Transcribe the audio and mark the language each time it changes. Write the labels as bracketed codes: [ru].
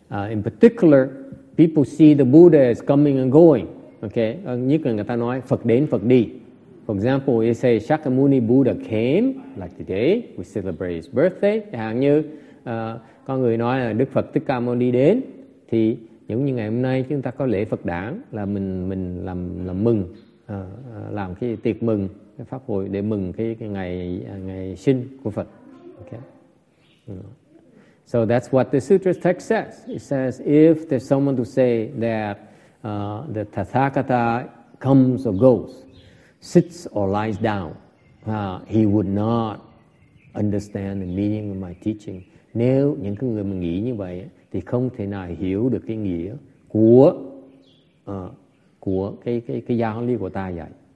[en] In particular, people see the Buddha as coming and going. Okay. [vi] Nhất là người ta nói Phật đến Phật đi. [en] For example, you say Shakyamuni Buddha came, like today we celebrate his birthday. [vi] Chẳng như có người nói là Đức Phật Thích Ca Mâu Ni đến, thì giống như ngày hôm nay chúng ta có lễ Phật đản, là mình làm mừng, làm cái tiệc mừng, cái pháp hội để mừng cái ngày sinh của Phật. [en] Okay. So that's what the sutra text says. It says if there's someone to say that the Tathagata comes or goes, sits or lies down, he would not understand the meaning of my teaching. [vi] Nếu những cái người mà nghĩ như vậy thì không thể nào hiểu được cái nghĩa của cái giáo lý của ta dạy.